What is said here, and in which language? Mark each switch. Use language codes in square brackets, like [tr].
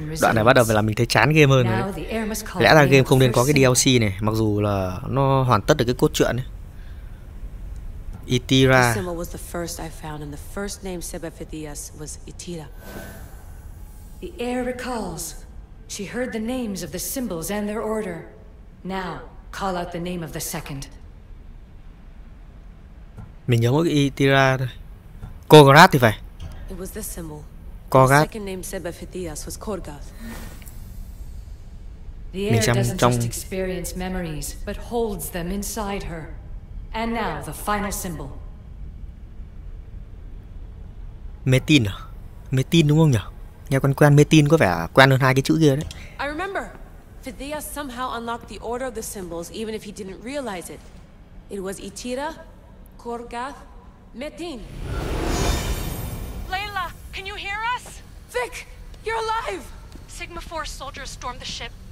[vi] Đoạn này bắt đầu là mình thấy chán game hơn rồi đấy. Lẽ ra game không nên có cái DLC này, mặc dù là nó hoàn tất được cái cốt truyện ấy. [en] Itira. The symbol was the first I found, and the first name Sebafidias was Itira. The air recalls. She heard the names of the symbols and their order. Now, call out the name of the second. [vi] Mình nhớ mỗi cái Itira thôi. Korgath thì phải. [en] It was the symbol. Korgath. The second name Sebafidias was Korgath. The air doesn't just experience memories, but holds them inside her. And now the final symbol. [vi] Metin à? Metin đúng không nhỉ? Nghe quen Metin có vẻ quen hơn hai cái chữ kia đấy. [en] I remember. Fidia somehow unlocked the order of the symbols even if he didn't realize it. It was Itira, Korgath, Metin. Layla, can you hear us? Vic, you're alive. Sigma Force soldiers stormed the ship.